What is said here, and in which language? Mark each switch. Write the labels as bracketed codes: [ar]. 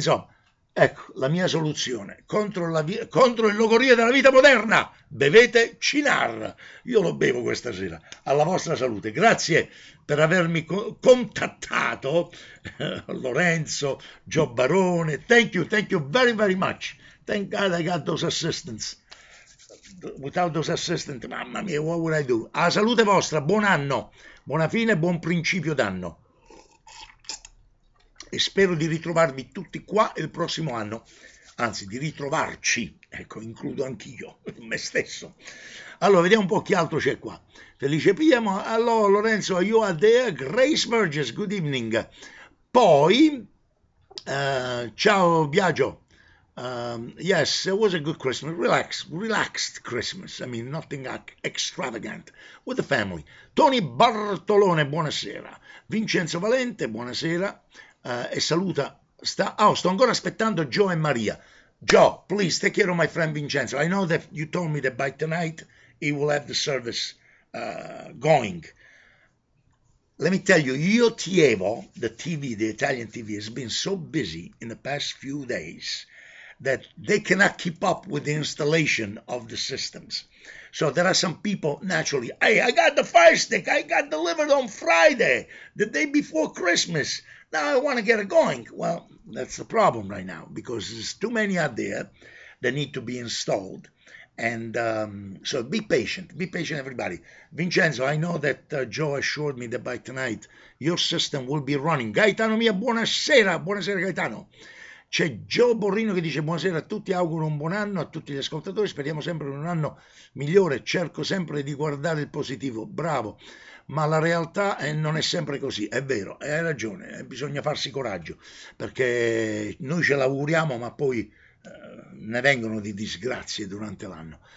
[it] Insomma, ecco la mia soluzione contro il logorio della vita moderna. Bevete Cinar. Io lo bevo questa sera. Alla vostra salute. Grazie per avermi co contattato, Lorenzo, Gio Barone. [en] Thank you very, very much. Thank God I got those assistants. Without those assistants, [it] mamma mia, [en] what would I do? [it] Alla salute vostra, buon anno, buona fine, buon principio d'anno. E spero di ritrovarvi tutti qua il prossimo anno, anzi di ritrovarci, ecco, includo anch'io me stesso. Allora, vediamo un po' chi altro c'è qua. [en] Felice Piemo, allora Lorenzo, are you are there? Grace Burgess, good evening. [it] Poi, ciao [en] Biagio. Yes, it was a good Christmas. Relaxed Christmas. I mean, nothing extravagant with the family. Tony Bartolone, buonasera. [it] Vincenzo Valente, buonasera. E saluta, sto ancora aspettando Joe e Maria. [en] Joe, please take care of my friend Vincenzo. I know that you told me that by tonight he will have the service going. Let me tell you, Io Ti Evo, the TV, the Italian TV, has been so busy in the past few days that they cannot keep up with the installation of the systems. So there are some people, naturally, hey, I got the fire stick, I got delivered on Friday, the day before Christmas. Now I want to get it going. Well, that's the problem right now, because there's too many out there that need to be installed. And so be patient, everybody. Vincenzo, I know that Joe assured me that by tonight your system will be running. [it] Gaetano mia, buonasera, buonasera Gaetano. C'è Gio Borrino che dice buonasera a tutti, auguro un buon anno a tutti gli ascoltatori, speriamo sempre in un anno migliore, cerco sempre di guardare il positivo, bravo, ma la realtà non è sempre così, è vero, hai ragione, bisogna farsi coraggio, perché noi ce l'auguriamo, ma poi ne vengono di disgrazie durante l'anno.